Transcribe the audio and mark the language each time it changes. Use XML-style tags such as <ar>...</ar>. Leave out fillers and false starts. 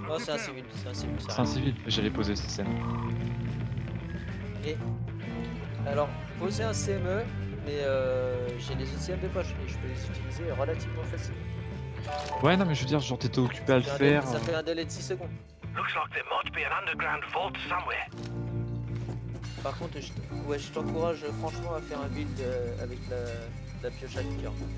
<fr>Oh, c'est un civil. C'est un civil. J'allais poser cette scène. Et... Alors, poser un CME, mais j'ai les ECM de poche et je peux les utiliser relativement facilement. Ouais, non, mais je veux dire, genre, t'étais occupé à le faire. Ça fait un délai de 6 secondes.</fr> <en>Looks like there might be an underground vault somewhere.</en> <fr>Par contre, je t'encourage franchement à faire un build avec la pioche à liqueur.</fr>